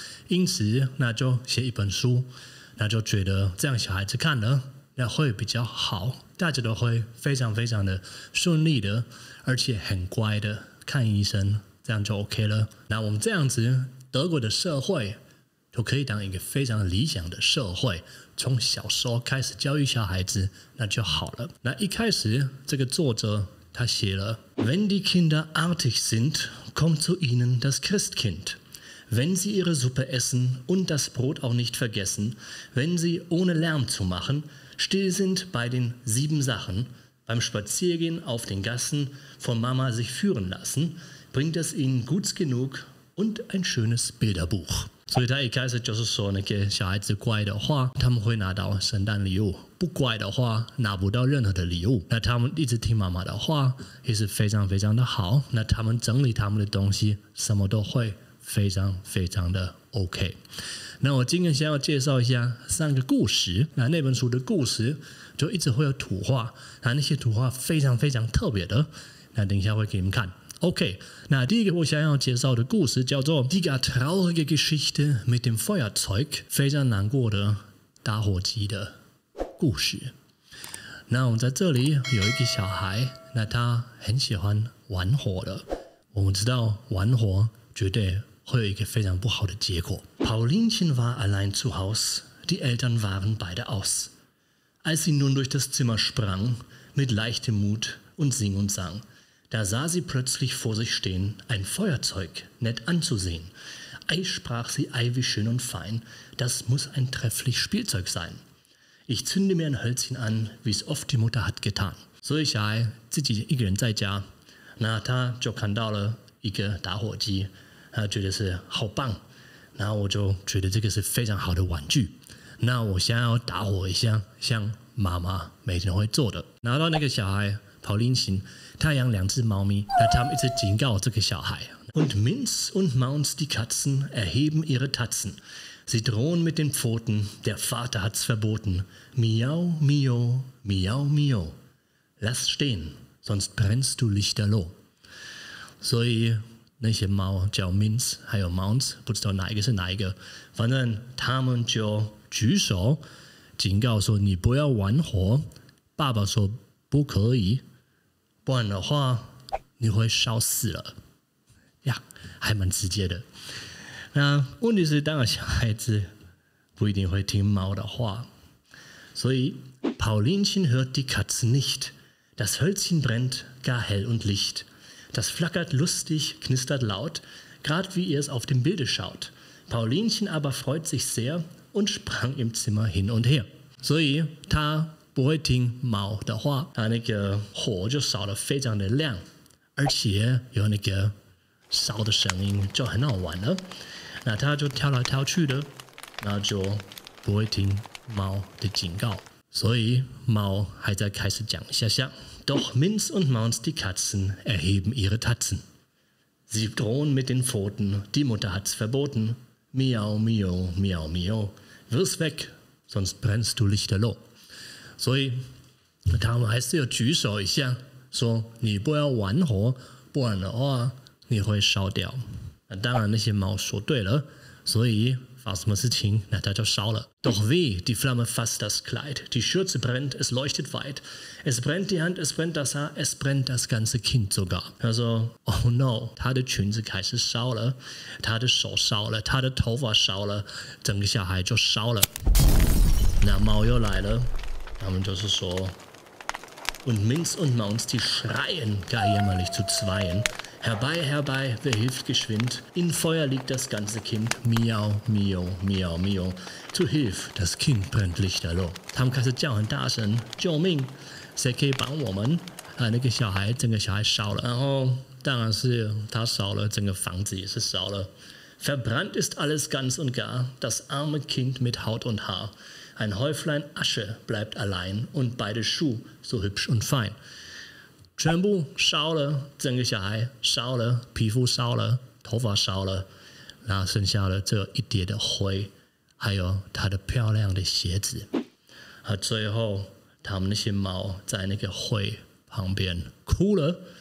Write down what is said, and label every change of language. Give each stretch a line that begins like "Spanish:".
Chinese: 因此那就写一本书，那就觉得这样小孩子看了那会比较好，大家都会非常非常的顺利的而且很乖的看医生，这样就 OK 了。那我们这样子德国的社会就可以当一个非常理想的社会，从小时候开始教育小孩子那就好了。那一开始这个作者他写了
German: Wenn die Kinder artig sind, kommt zu ihnen das Christkind. Wenn sie ihre Suppe essen und das Brot auch nicht vergessen, wenn sie ohne Lärm zu machen, still sind bei den sieben Sachen, beim Spaziergehen auf den Gassen von Mama sich führen lassen, bringt es ihnen guts genug und ein schönes Bilderbuch.
Chinese: 所以他一开始就是说，那个小孩子乖的话他们会拿到圣诞礼物，不乖的话拿不到任何的礼物。那他们一直听妈妈的话也是非常非常的好，那他们整理他们的东西什么都会非常非常的 OK。那我今天先要介绍一下三个故事，那本书的故事就一直会有图画，那些图画非常非常特别的，那等一下会给你们看。 OK， 那第一个我想要介绍的故事叫做
German: Die gar traurige Geschichte mit dem Feuerzeug，
Chinese: 非常难过的打火机的故事。那我们在这里有一个小孩，那他很喜欢玩火的，我们知道玩火绝对会有一个非常不好的结果。
German: Paulinchen war allein zu Haus, die Eltern waren beide aus. Als sie nun durch das Zimmer sprang, mit leichtem Mut und sing und sangDa sah sie plötzlich vor sich stehen, ein Feuerzeug, nett anzusehen. Ei, sprach sie, ei, wie schön und fein, das muss ein trefflich Spielzeug sein. Ich zünde mir ein Hölzchen an, wie's oft die Mutter hat getan. So, ich habe
Chinese: 自己一个人在家，那他就看到了一个打火机，他觉得是好棒，那我就觉得这个是非常好的玩具，那我想要打火一下，像妈妈每天会做的。拿到那个小孩Paulinchen, 他养两只猫咪，那他们一直警告这个小孩。
German: Und Minz und Maunz die Katzen erheben ihre Tatzen. Sie drohen mit den Pfoten, der Vater hat's verboten. Miau, miau, miau, miau. Lass stehen, sonst brennst du lichterloh.
Chinese: 所以那些猫叫 Minz 还有 Maunz, 不知道哪一个是哪一个，反正他们就举手警告说你不要玩火。爸爸说不可以，不然的话你会烧死了呀，还蛮直接的。那问题是当然小孩子不一定会听猫的话，所以
German: Paulinchen hört die Katze nicht. Das Hölzchen brennt gar hell und licht. Das flackert lustig, knistert laut, gerade wie ihr es auf dem Bilde schaut. Paulinchen aber freut sich sehr und sprang im Zimmer hin und her.
Chinese: 所以他不会听猫的话，他那个火就烧得非常的亮，而且有那个烧的声音就很好玩了。那他就跳来跳去的，那就不会听猫的警告，所以猫还在开始讲下下。
German: Doch Minz und Maunz die Katzen erheben ihre Tatzen. Sie drohen mit den Pfoten, die Mutter hat's verboten. Miau, miau, miau, miau. Wirf's weg, sonst brennst du lichterloh.
Chinese: 所以他们还是要举手一下说你不要玩火，不然的话你会烧掉。那当然那些猫说对了，所以发什么事情？那他就烧了。
German: Doch weh, die Flamme fasst das Kleid. Die Schürze brennt, es leuchtet weit. Es brennt die Hand, es brennt das Haar, es brennt das ganze Kind sogar. Also,
English: oh no,
Chinese: 他的裙子开始烧了，他的手烧了，他的头发烧了，整个小孩就烧了。那猫又来了，他们就是说。
German: Und Minz und Maunz, die schreien gar jämmerlich zu zweien. Herbei, herbei, wer hilft geschwind? In Feuer liegt das ganze Kind. Miau, miau, miau, miau. Zu Hilf, das Kind brennt lichterloh.
Chinese: 他们开始叫很大声，救命！谁可以帮我们？啊，那个小孩，整个小孩烧了。然后，当然是他烧了，整个房子也是烧了。
German: Verbrannt ist alles ganz und gar. Das arme Kind mit Haut und Haar. Ein Häuflein Asche bleibt allein und beide Schuh so hübsch und fein.
Chinese: 全部烧了，整个小孩烧了，皮肤烧了，头发烧了，然后剩下了只有一叠的灰，还有他的漂亮的鞋子。啊，最后他们那些猫在那个灰旁边哭了。